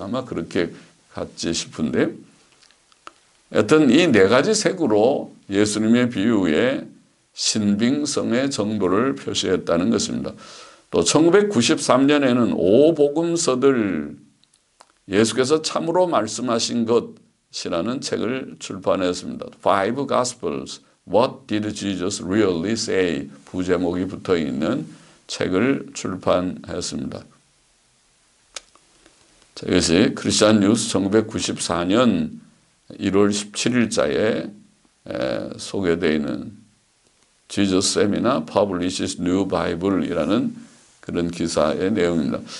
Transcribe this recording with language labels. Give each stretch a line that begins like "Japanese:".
Korean: 아마 그렇게 갔지 싶은데. 여튼 이 네 가지 색으로 예수님의 비유에 신빙성의 정도를 표시했다는 것입니다. 또 1993년에는 오복음서들 예수께서 참으로 말씀하신 것이라는 책을 출판했습니다.
English: Five Gospels, What Did Jesus Really Say?
Korean: 부제목이 붙어 있는 책을 출판했습니다. 자, 이것이 크리스천 뉴스 1994년 1월 17일자에 소개되어 있는
English: Jesus Seminar Publishes New Bible
Korean: 이라는 그런 기사의 내용입니다.